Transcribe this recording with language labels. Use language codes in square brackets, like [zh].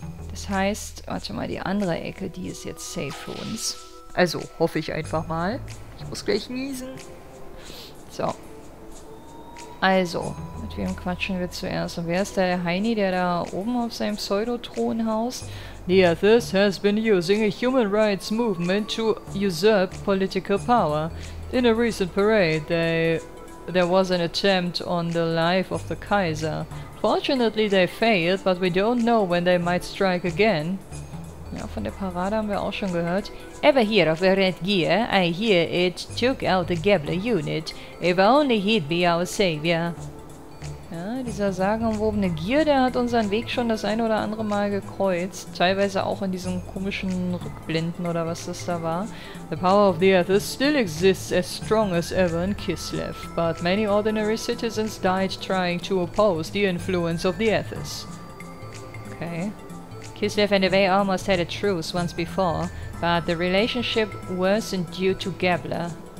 [de] Das heißt, warte mal, die andere Ecke, die ist jetzt safe für uns. Also, hoffe ich einfach mal. Ich muss gleich niesen. So. Also, mit wem quatschen wir zuerst? Und wer ist der Heini, der da oben auf seinem Pseudothron haust? [en] The Athos has been using a human rights movement to usurp political power. In a recent parade, there was an attempt on the life of the Kaiser. Fortunately, they failed, but we don't know when they might strike again. [de] Ja, von der Parade haben wir auch schon gehört. [en] Ever hear of a Red Gear? I hear it took out the Gebler unit. If only he'd be our savior. [de] Ja, dieser sagenumwobene Gear, der hat unseren Weg schon das ein oder andere Mal gekreuzt. Teilweise auch in diesen komischen Rückblenden oder was das da war. [en] The power of the Athos still exists as strong as ever in Kislev. But many ordinary citizens died trying to oppose the influence of the Athos. Okay. Kislev and Evay almost had a truce once before, but the relationship worsened due to Gebler.